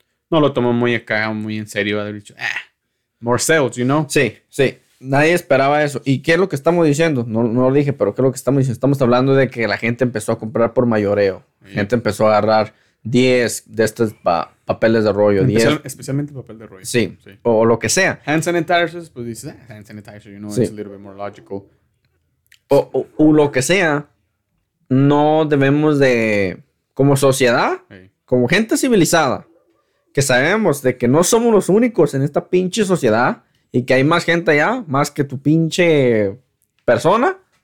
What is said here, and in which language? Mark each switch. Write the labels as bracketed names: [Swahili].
[Spanish] No lo tomó muy acá, muy en serio. Haber dicho, [English] more sales, you know? [Spanish] Sí. Nadie esperaba eso. ¿Y qué es lo que estamos diciendo? No lo dije, pero ¿qué es lo que estamos diciendo? Estamos hablando de que la gente empezó a comprar por mayoreo. Sí. Gente empezó a agarrar 10 de estos papeles de rollo. Especialmente papel de rollo. Sí. O lo que sea. [English] Hand sanitizers, [Spanish] pues dices, [English] hand sanitizer, you know, it's a little bit more logical. [Spanish] o lo que sea, no debemos de, como sociedad, como gente civilizada, que sabemos de que no somos los únicos en esta pinche sociedad y que hay más gente allá, más que tu pinche persona.